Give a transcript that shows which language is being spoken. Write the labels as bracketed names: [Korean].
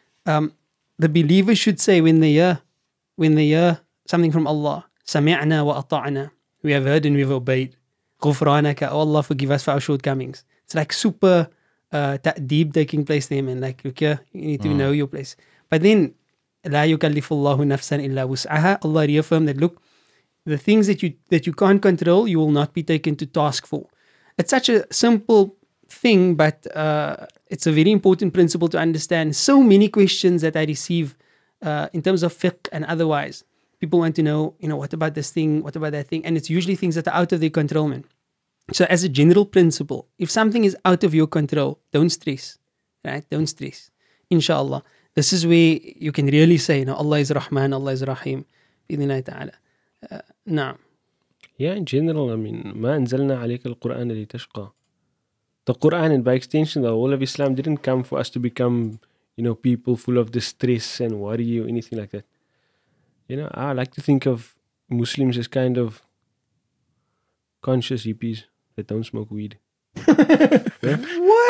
[English] But the believers should say when they hear something from Allah, [Arabic] سَمِعْنَا وَأَطَعْنَا. [English] We have heard and we've obeyed. Ghufranaka, oh Allah, forgive us for our shortcomings. It's like super deep taking place there, man. Like, okay, you need to know your place. But then, [Arabic] لا يكلف الله نفسا إلا وسعها. [English] Allah reaffirmed that, look, the things that you can't control, you will not be taken to task for. It's such a simple thing, but it's a very important principle to understand. So many questions that I receive in terms of fiqh and otherwise. People want to know, you know, what about this thing? What about that thing? And it's usually things that are out of their control, man. So as a general principle, if something is out of your control, don't stress, right? Don't stress. Inshallah. This is where you can really say, you know, Allah is Rahman, Allah is Rahim. Bidhinai ta'ala. Na'am. Yeah, in general, I mean, [Arabic] ما أنزلنا عليك القرآن لتشقى. [English] The Quran, and by extension, the whole of Islam didn't come for us to become, you know, people full of distress and worry or anything like that. You know, I like to think of Muslims as kind of conscious hippies that don't smoke weed. What?